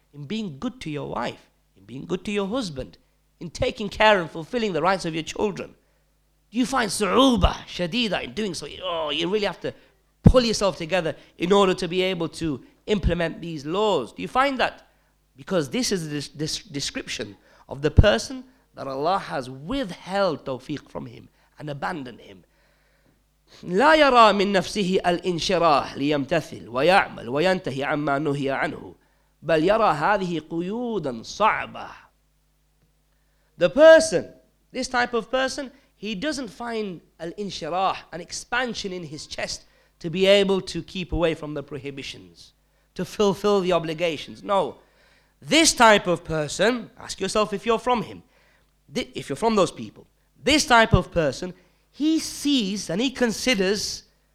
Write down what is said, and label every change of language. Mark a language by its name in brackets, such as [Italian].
[English] In being good to your wife, in being good to your husband, in taking care and fulfilling the rights of your children, do you find [Arabic] su'uba, shadida [English] in doing so? Oh, you really have to pull yourself together in order to be able to implement these laws. Do you find that? Because this is this description of the person that Allah has withheld tawfiq from him and abandoned him. [Arabic] لا يرى من نفسه الانشراح ليمتثل ويعمل وينتهي عما نهي عنه بل يرى هذه قيودا صعبة. [English] The person, this type of person, he doesn't find al-inshirah, an expansion in his chest, to be able to keep away from the prohibitions, to fulfill the obligations. No. This type of person, ask yourself if you're from him, if you're from those people, this type of person, he sees and he considers